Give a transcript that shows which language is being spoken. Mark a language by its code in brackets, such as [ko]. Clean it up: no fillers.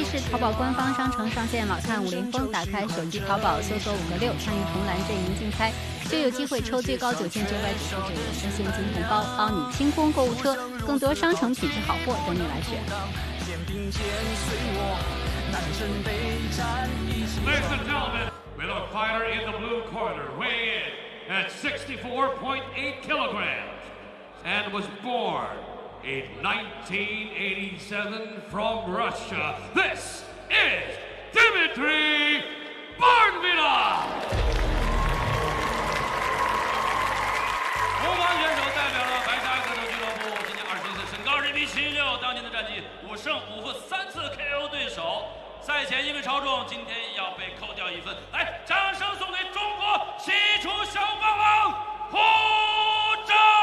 [zh] 淘宝官方商城上线，老看武林风，打开手机淘宝搜索56，参与红蓝阵营竞猜，就有机会抽最高9999元现金红包，帮你清空购物车，更多商城品质好货等你来选。 [en] Ladies and gentlemen, with our fighter in the blue corner, weighing in at 64.8 kilograms, and was born in 1987 from Russia, this is Dmitry Barnvina! [zh] 红方选手代表了白沙格斗俱乐部，今年21岁，身高1米76，当年的战绩5胜5负，3次 KO 对手，赛前因为超重，今天要被扣掉一分。来，掌声送给中国西楚小霸王胡正。